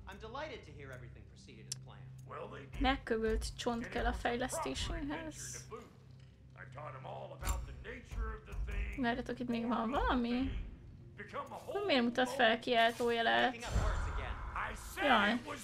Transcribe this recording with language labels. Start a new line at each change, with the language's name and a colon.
English: I'm delighted to hear everything proceeded as planned. Well, they did.
Hungarian: Megkövült csont kell a fejlesztéséhez.
English: I taught him all about the nature of the thing.
Hungarian: Várjatok, itt még van valami? Miért mutat fel kiáltójelet? Jaj.